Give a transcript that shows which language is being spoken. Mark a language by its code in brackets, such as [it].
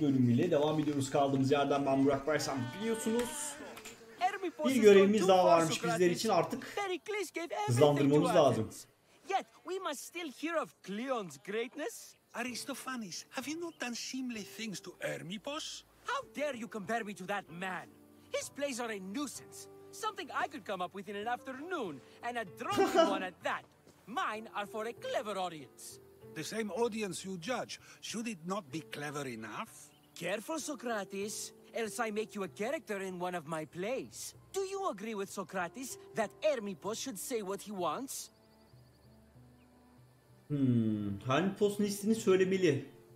[tr] bölümüyle devam ediyoruz kaldığımız yerden. Ben Burak Baysan, biliyorsunuz bir görevimiz daha varmış bizler için, artık hızlandırmamız lazım. [en] Yet we must still hear of Cleon's greatness. Aristophanes, have you not done seemly things to Hermipos? How dare you compare me to that man? His plays are a nuisance. Something I could come up with in an afternoon, and a drunken one at that. Mine are for a clever audience. The same audience you judge, should it not be clever enough? Careful, Socrates, else I make you a character in one of my plays. Do you agree with Socrates that Hermipos should say what he wants? [tr] Hermipos'un istediğini söylemeli.